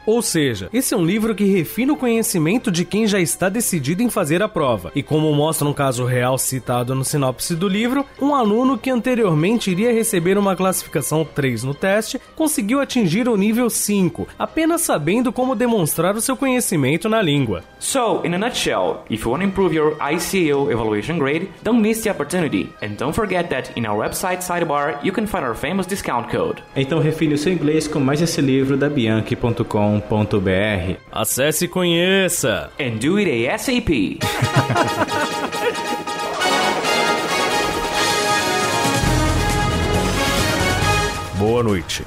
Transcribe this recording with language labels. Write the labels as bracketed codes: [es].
[pt] Ou seja, esse é um livro que refina o conhecimento de quem já está decidido em fazer a prova. E como mostra um caso real citado no sinopse do livro, um aluno que anteriormente iria receber uma classificação 3 no teste, conseguiu atingir o nível 5, apenas sabendo como demonstrar o seu conhecimento na língua. [en] So, in a nutshell, if you want to improve your ICAO evaluation grade, don't miss the opportunity. And don't forget that in our website sidebar, you can find our famous discount code. [pt] Então refine o seu inglês com mais esse livro da bianchi.com.br. Acesse e conheça. [en] And do it ASAP. [pt] Boa noite.